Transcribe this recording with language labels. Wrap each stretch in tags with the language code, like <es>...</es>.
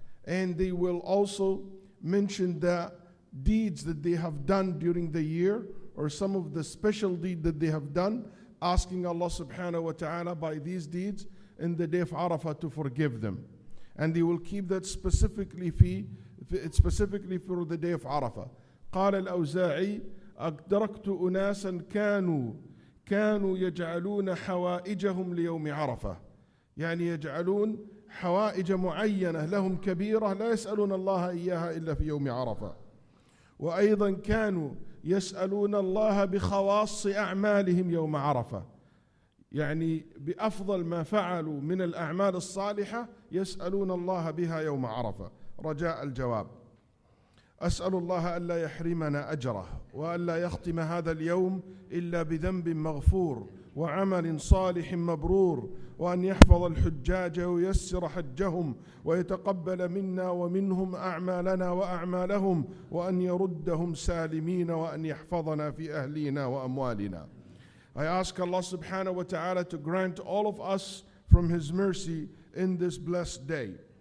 <en>And they will also mention the deeds that they have done during the year or some of the special deeds that they have done, asking Allah subhanahu wa ta'ala by these deeds in the day of Arafah to forgive them. And they will keep that specifically for the day of Arafah.</en> <ar>قال الأوزاعي أدركت أناسا كانوا يجعلون حوائجهم ليوم عرفة يعني يجعلون حوائج معينة لهم كبيرة لا يسألون الله إياها إلا في يوم عرفة وأيضا كانوا يسألون الله بخواص أعمالهم يوم عرفة يعني بأفضل ما فعلوا من الأعمال الصالحة يسألون الله بها يوم عرفة رجاء الجواب. أسأل الله أن لا يحرمنا أجره وأن لا يختم هذا اليوم إلا بذنب مغفور وعمل صالح مبرور، وأن يحفظ الحجاج وييسر حجهم ويتقبل منا ومنهم أعمالنا وأعمالهم، وأن يردهم سالمين، وأن يحفظنا في أهلنا وأموالنا.</ar> <en>I ask Allah subhanahu wa ta'ala to grant all of us from His mercy in this blessed day.</en>